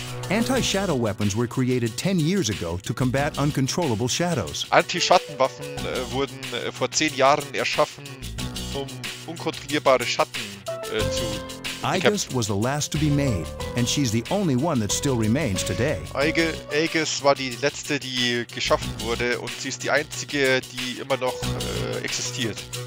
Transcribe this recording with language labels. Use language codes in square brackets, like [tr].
[en] Anti-shadow weapons were created 10 years ago to combat uncontrollable shadows. [de] Anti-Schattenwaffen wurden vor 10 Jahren erschaffen, um unkontrollierbare Schatten zu [en] Aegis was the last to be made, and she's the only one that still remains today. [de] Aegis war die letzte, die geschaffen wurde, und sie ist die einzige, die immer noch existiert.